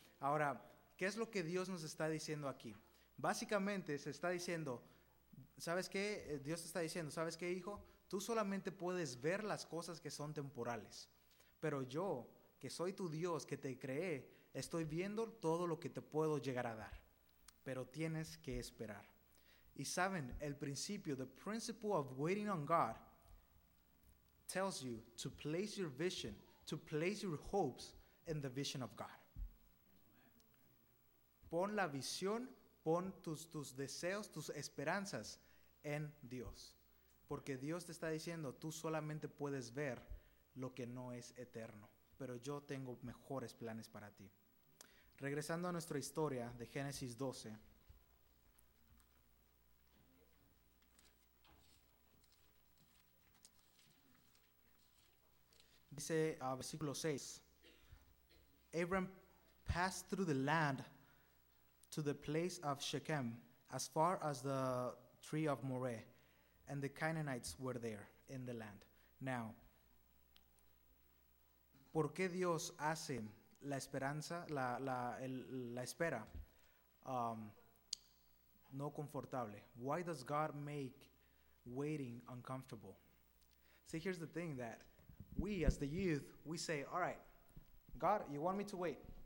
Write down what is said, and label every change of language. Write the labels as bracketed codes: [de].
[es] Ahora, ¿qué es lo que Dios nos está diciendo aquí? Básicamente se está diciendo, ¿sabes qué? Dios te está diciendo, ¿sabes qué, hijo? Tú solamente puedes ver las cosas que son temporales, pero yo, que soy tu Dios, que te creé, estoy viendo todo lo que te puedo llegar a dar, pero tienes que esperar. Y saben, el principio, [en] the principle of waiting on God, tells you to place your vision, to place your hopes in the vision of God. [es] Pon la visión, pon tus deseos, tus esperanzas en Dios. Porque Dios te está diciendo, tú solamente puedes ver lo que no es eterno, pero yo tengo mejores planes para ti. Regresando a nuestra historia de Génesis 12. Dice versículo 6. [en] Abram passed through the land to the place of Shechem, as far as the tree of Moreh, and the Canaanites were there in the land. [es] Now, ¿por qué Dios hace la esperanza, la espera no confortable? [en] Why does God make waiting uncomfortable? See, here's the thing that we, as the youth, we say, all right, God, you want me to wait?